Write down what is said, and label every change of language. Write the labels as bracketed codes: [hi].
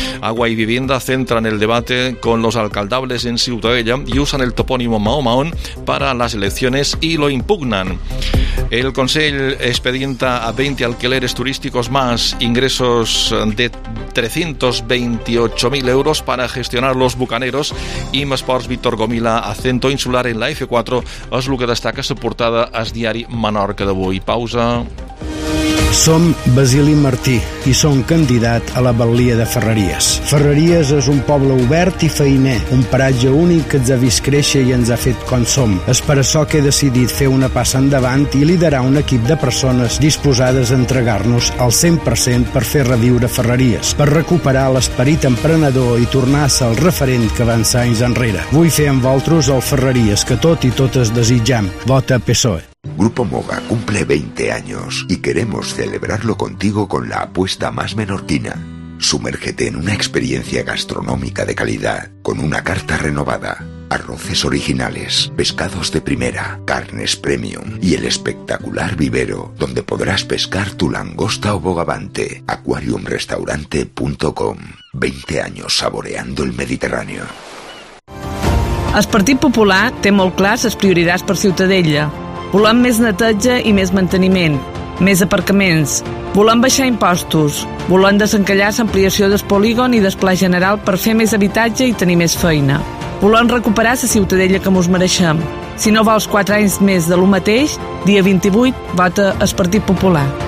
[es] Agua y vivienda centran el debate con los alcaldables en Ciutadella y usan el topónimo Mahomaón para las elecciones y lo impugnan. El Consell expedienta a 20 alquileres turísticos más, ingresos de 328.000 euros para gestionar los bucaneros. [ca] I més ports, Víctor Gomila, acento insular en la F4, és el que destaca la portada al Diari Menorca d'avui. Pausa. Som Basili Martí i som candidat a la batllia de Ferreries. Ferreries és un poble obert i feiner, un paratge únic que ens ha vist créixer i ens ha fet com som. És per això que he decidit fer una passa endavant i liderar un equip de persones disposades a entregar-nos al 100% per fer reviure Ferreries, per recuperar l'esperit emprenedor i tornar a ser el referent que van ser anys enrere. Vull fer amb vosaltres el Ferreries que tot i totes desitjam. Vota PSOE. [es] Grupo Moga cumple 20 años y queremos celebrarlo contigo con la apuesta más menorquina. Sumérgete en una experiencia gastronómica de calidad, con una carta renovada, arroces originales, pescados de primera, carnes premium y el espectacular vivero donde podrás pescar tu langosta o bogavante. Aquariumrestaurante.com. 20 años saboreando el Mediterráneo. [ca] El Partit Popular té molt clar les prioritats per Ciutadella. Volem més neteja i més manteniment, més aparcaments. Volem baixar impostos. Volem desencallar l'ampliació del polígon i del pla general per fer més habitatge i tenir més feina. Volem recuperar la Ciutadella que mos mereixem. Si no vols 4 anys més de lo mateix, dia 28, vota el Partit Popular.